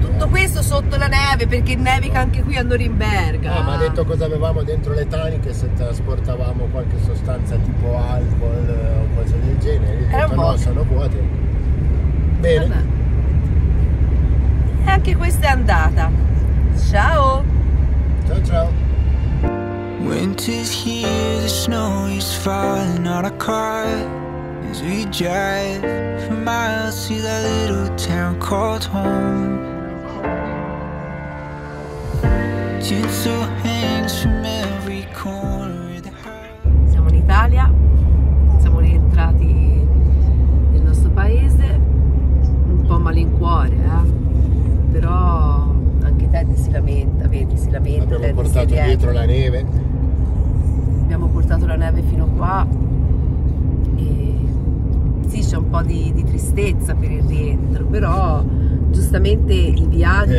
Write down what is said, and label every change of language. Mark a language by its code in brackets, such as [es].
[it] Tutto questo sotto la neve, perché nevica anche qui a Norimberga. Ah, ma ha detto cosa avevamo dentro le taniche, se trasportavamo qualche sostanza tipo alcol o qualcosa del genere. Era detto, no, sono vuote. Bene. Vabbè. E anche questa è andata. Ciao. [en] Winter's here, the snow is falling on our car. As we drive for miles to that little town called home. Tinsel hangs from every corner of the house. [it] Siamo in Italia, siamo rientrati nel nostro paese, un po' malincuore, eh? Però anche Teddy si lamenta, vedi, si lamenta. Abbiamo portato dietro la neve. Abbiamo portato la neve fino qua e sì, c'è un po' di tristezza per il rientro, però giustamente i viaggi...